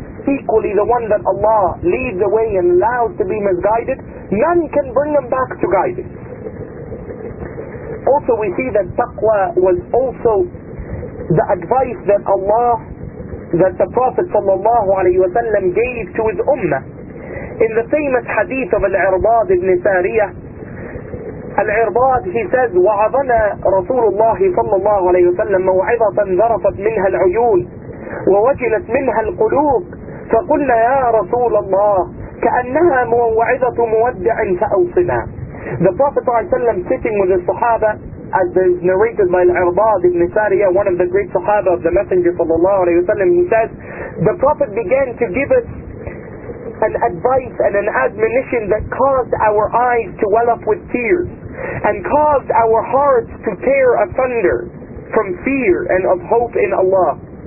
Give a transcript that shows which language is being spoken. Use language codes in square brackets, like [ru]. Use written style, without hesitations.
[en] Equally, the one that Allah leads away and allows to be misguided, none can bring him back to guidance. Also, we see that taqwa was also the advice that Allah, that the Prophet sallallahu alayhi wa sallam gave to his ummah. In the famous hadith of Al-Irbad ibn Sariyah, Al-Irbad, he says, [ar] وَعَظَنَا رَسُولُ اللَّهِ صَلَّى اللَّهُ عَلَيْهُ وَسَلَّمَ مَوْعِظَةً ذَرَفَتْ مِنْهَا الْعُيُونَ وَوَجِلَتْ مِنْهَا الْقُلُوبِ فَقُلْنَا يَا رَسُولَ اللَّهِ كَأَنَّهَا مُوَعِظَةُ مُوَدِّعٍ فَأَوْصِنَا. [en] The Prophet ﷺ sitting with his Sahaba, as is narrated by Al-Irbad ibn Sariyah, one of the great Sahaba of the Messenger sallallahu alayhi wa sallam, he says, the Prophet began to give us an advice and an admonition that caused our eyes to well up with tears and caused our hearts to tear asunder from fear and of hope in Allah.